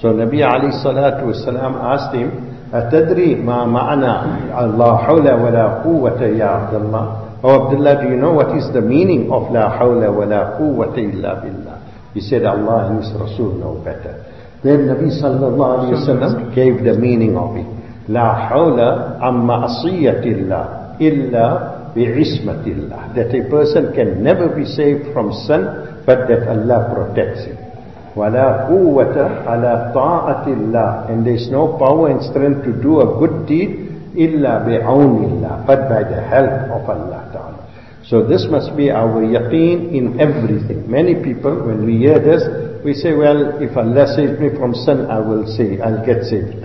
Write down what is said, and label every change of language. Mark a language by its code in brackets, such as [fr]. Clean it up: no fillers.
[en] So Nabi alayhi salatu wa sallam asked him, [ar] أتدري ما معنى الله حول ولا قوة يا عبد الله؟ [en] Oh Abdullah, do you know what is the meaning of [ar] لا حول ولا قوة إلا بالله? [en] He said, Allah and His Rasul know better. Then Nabi sallallahu alayhi wa sallam gave the meaning of it. [ar] لا حول عن معصية الله إلا بعصمة الله. [en] That a person can never be saved from sin, but that Allah protects him. [ar] وَلَا قُوَّةَ عَلَىٰ طَاعَةِ اللَّهِ [en] And there is no power and strength to do a good deed [ar] إِلَّا بِعَوْنِ اللَّهِ [en] But by the help of Allah Ta'ala. So this must be our yaqeen in everything. Many people, when we hear this, we say, well, if Allah saves me from sin, I will say, I'll get saved.